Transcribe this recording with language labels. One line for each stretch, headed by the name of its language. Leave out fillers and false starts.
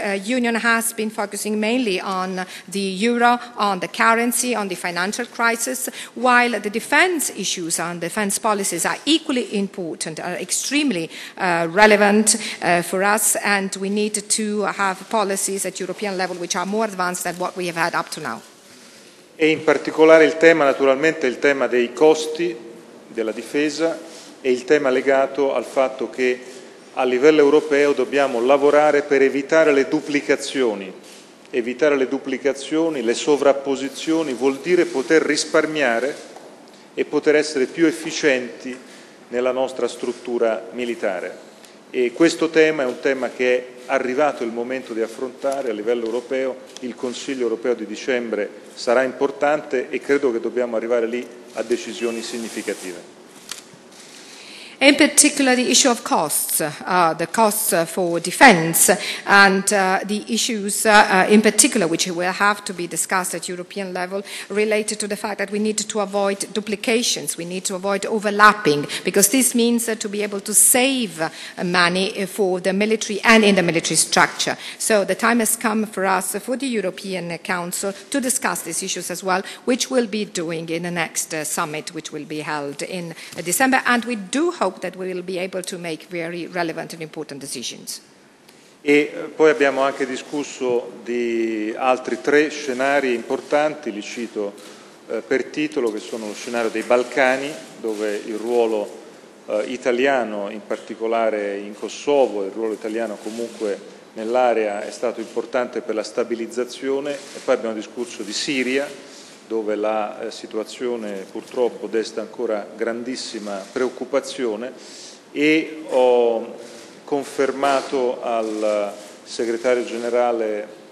English: Union has been focusing mainly on the euro, on the currency, on the financial crisis, while the defence issues and defence policies are equally important, are extremely relevant for us, and we need to have policies at European level which are more advanced than what we have had up to now.
Italian: E in particolare il tema, naturalmente, il tema dei costi della difesa e il tema legato al fatto che a livello europeo dobbiamo lavorare per evitare le duplicazioni evitare le duplicazioni, le sovrapposizioni, vuol dire poter risparmiare e poter essere più efficienti nella nostra struttura militare. E questo tema è un tema che è arrivato il momento di affrontare a livello europeo. Il Consiglio europeo di dicembre sarà importante e credo che dobbiamo arrivare lì a decisioni significative.
English: In particular, the issue of costs, the costs for defense, and the issues in particular, which will have to be discussed at European level, related to the fact that we need to avoid duplications, we need to avoid overlapping, because this means to be able to save money for the military and in the military structure. So the time has come for us, for the European Council, to discuss these issues as well, which we'll be doing in the next summit, which will be held in December, and we do hope that we will be able to make very relevant and important decisions.
Italian: E poi abbiamo anche discusso di altri tre scenari importanti, li cito per titolo, che sono lo scenario dei Balcani, dove il ruolo italiano, in particolare in Kosovo, il ruolo italiano comunque nell'area è stato importante per la stabilizzazione, e poi abbiamo discusso di Siria, dove la situazione purtroppo desta ancora grandissima preoccupazione, e ho confermato al segretario generale